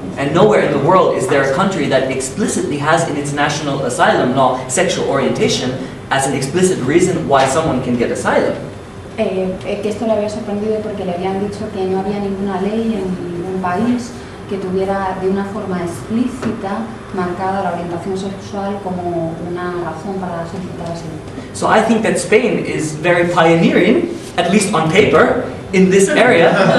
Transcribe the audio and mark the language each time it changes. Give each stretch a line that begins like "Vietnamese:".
English: And nowhere in the world is there a country that explicitly has in its national asylum law sexual orientation as an explicit reason why someone can get asylum.
Spanish: Que esto le había sorprendido porque le habían dicho que no había ninguna ley en ningún país que tuviera de una forma explícita marcada la orientación sexual como una razón para solicitar asilo.
English: So I think that Spain is very pioneering, at least on paper, in this area.